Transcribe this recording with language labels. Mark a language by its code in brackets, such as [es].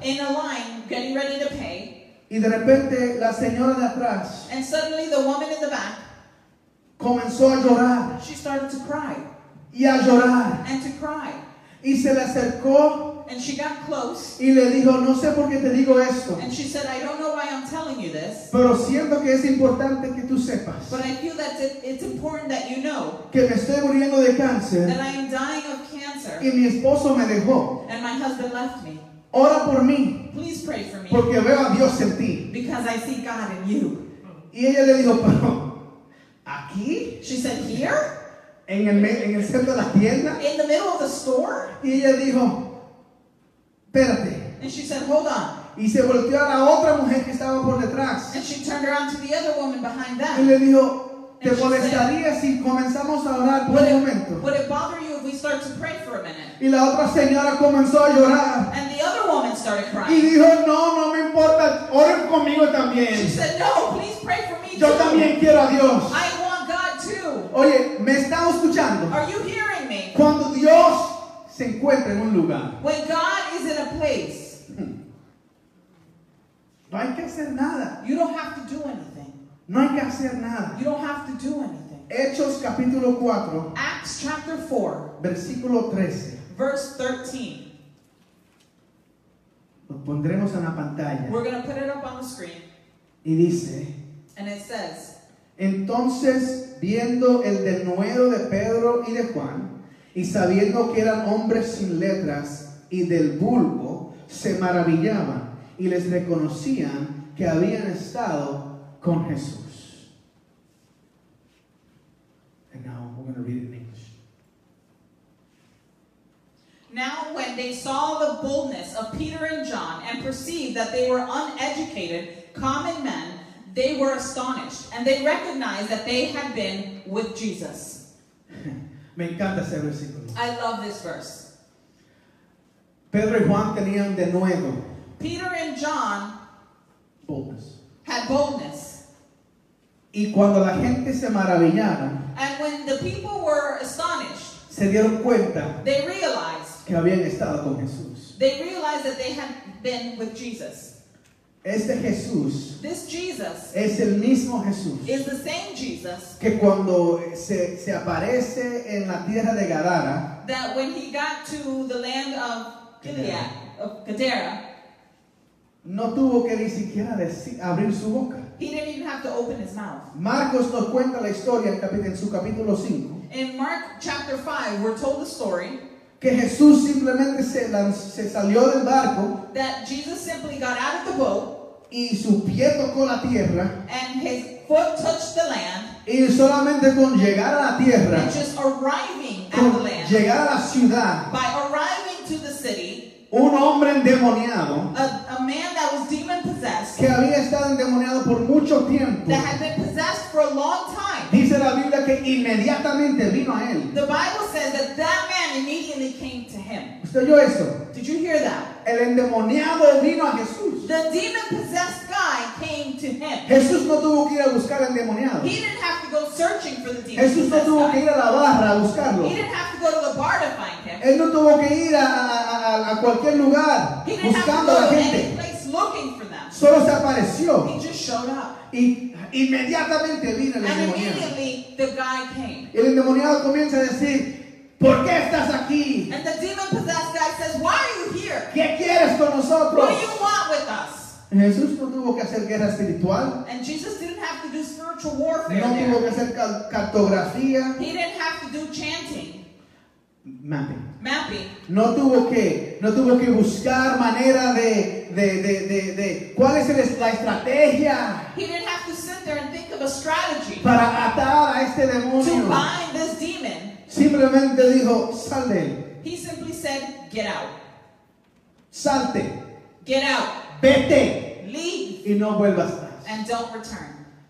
[en] In a line, getting ready to pay. [es] Y de repente la señora de atrás, [en] and suddenly the woman in the back, [es] comenzó a llorar. [en] She started to cry. [es] Y a llorar. [en] And to cry. [es] Y se le acercó. [en] And she got close. [es] Y le dijo, no sé por qué te digo esto. [en] And she said, I don't know why I'm telling you this. [es] Pero siento que es importante que tú sepas. [en] But I feel that it's important that you know. [es] Que me estoy muriendo de cáncer. [en] That I am dying of cancer. [es] Y mi esposo me dejó. [en] And my husband left me. [es] Ora por mí. [en] Please pray for me. [es] Porque veo a Dios en ti. [en] Because I see God in you. [es] Y ella le dijo, pero aquí. [en] She said, here. [es] En el centro de la tienda. [en] In the middle of the store. [es] Y ella dijo, espérate. [en] And she said, hold on. [es] Y se volteó a la otra mujer que estaba por detrás. [en] And she turned around to the other woman behind that. [es] Y le dijo, ¿te molestaría si comenzamos a orar por un momento? [en] Would it bother you if we start to pray for a minute? [es] Y la otra señora comenzó a llorar. [en] And the other woman started crying. [es] Y dijo, no, no me importa, oren conmigo también. [en] She said, no, please pray for me too. [es] Yo también quiero a Dios. [en] I want God too. [es] Oye, ¿me estás escuchando? [en] Are you hearing me? [es] Cuando Dios se encuentra en un lugar, [en] when God is in a place, [es] no hay que hacer nada. [en] You don't have to do anything. [es] No hay que hacer nada. [en] You don't have to do anything. [es] Hechos capítulo 4. [en] Acts chapter 4. [es] Versículo 13. [en] Verse 13. [es] Lo pondremos en la pantalla. [en] We're going to put it up on the screen. [es] Y dice. [en] And it says. [es] Entonces, viendo el denuedo de Pedro y de Juan, y sabiendo que eran hombres sin letras y del vulgo, se maravillaban y les reconocían que habían estado con Jesús. [en] And now we're going to read it in English. Now when they saw the boldness of Peter and John and perceived that they were uneducated, common men, They were astonished, and they recognized that they had been with Jesus. [es] Me encanta ese versículo. [en] I love this verse. [es] Pedro y Juan tenían de nuevo. [en] Peter and John boldness. Had boldness. [es] Y cuando la gente se maravillaron, [en] and when the people were astonished, [es] se dieron cuenta, [en] they realized [es] que habían estado con Jesús. [en] They realized that they had been with Jesus. [es] Este Jesús, [en] this Jesus, [es] es el mismo Jesús, [en] is the same Jesus, [es] que cuando se aparece en la tierra de Gadara, [en] that when he got to the land of Gilead, of Gadara, [es] no tuvo que ni siquiera abrir su boca. [en] He didn't even have to open his mouth. [es] Marcos nos cuenta la historia en su capítulo 5. [en] In Mark chapter 5, we're told the story [es] que Jesús simplemente se salió del barco, [en] that Jesus simply got out of the boat, [es] y su pie tocó la tierra, [en] and his foot touched the land, [es] y solamente con llegar a la tierra, [en] and just arriving at the land, [es] llegar a la ciudad, [en] by arriving to the city, [es] un hombre endemoniado, [en] a man that was demon possessed, [es] que había estado endemoniado por mucho tiempo, [en] that had been possessed for a long time, [es] dice la Biblia que inmediatamente vino a él. [en] The Bible says that that man immediately came to him. [es] ¿Usted oyó eso? [en] Did you hear that? [es] El endemoniado vino a Jesús. [en] The demon possessed guy came to him. [es] Jesús no tuvo que ir a buscar al endemoniado. [en] He didn't have to go searching for the demon. [es] Jesús no tuvo que ir a la barra a buscarlo. [en] He didn't have to go to the bar to find him. [es] Él no tuvo que ir a cualquier lugar buscando a la gente. Solo se apareció. [en] He just showed up. [es] Y inmediatamente vino el endemoniado. [en] And immediately the guy came. [es] El endemoniado comienza a decir, ¿por qué estás aquí? [en] And the demon possessed guy says, why are you here? [es] ¿Qué quieres con nosotros? [en] What do you want with us? [es] Jesús no tuvo que hacer guerra espiritual. [en] And Jesus didn't have to do spiritual warfare. [es] No tuvo que hacer cartografía. [en] He didn't have to do chanting. Mapping. [es] No tuvo que buscar manera de cuál es la estrategia. [en] He didn't have to sit there and think of a strategy. [es] Para atar a este demonio. [en] To bind this demon. [es] Simplemente dijo, sal de él. [en] He simply said, get out. [es] Salte. [en] Get out. [es] Vete. [en] Leave. [es] Y no vuelvas más. [en] And don't return.